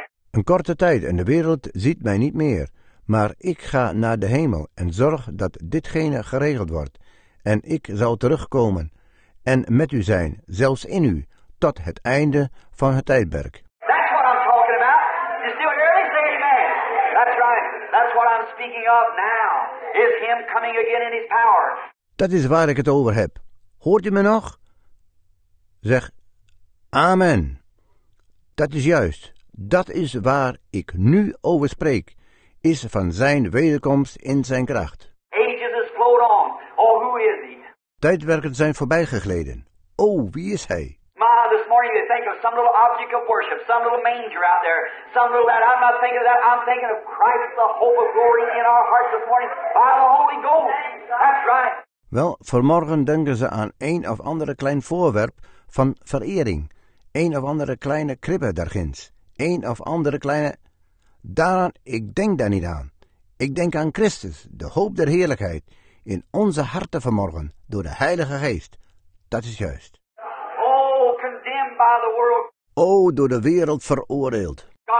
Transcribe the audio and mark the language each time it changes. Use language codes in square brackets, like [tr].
[nl] Een korte tijd en de wereld ziet mij niet meer, maar ik ga naar de hemel en zorg dat ditgene geregeld wordt. En ik zal terugkomen en met u zijn, zelfs in u, tot het einde van het tijdperk. [en] That's what I'm talking about. You see what Eric said, amen. That's right. That's what I'm speaking of now. Is him coming again in his power. [nl] Dat is waar ik het over heb. Hoort u me nog? Zeg, amen. Dat is juist. Dat is waar ik nu over spreek. Is van zijn wederkomst in zijn kracht. [en] Ages has flowed on. Oh, who is he? [nl] Tijdwerken zijn voorbijgegleden. Oh, wie is hij? [en] My, this morning they think of some little object of worship. Some little manger out there. Some little that. I'm not thinking of that. I'm thinking of Christ, the hope of glory in our hearts this morning. By the Holy Ghost. That's right. [nl] Wel, vanmorgen denken ze aan een of andere klein voorwerp van vereering. Een of andere kleine kribbe daarginds. Een of andere kleine... Daaraan, ik denk daar niet aan. Ik denk aan Christus, de hoop der heerlijkheid, in onze harten vanmorgen, door de Heilige Geest. Dat is juist. [en] Oh, condemned by the world. [nl] Oh, door de wereld veroordeeld.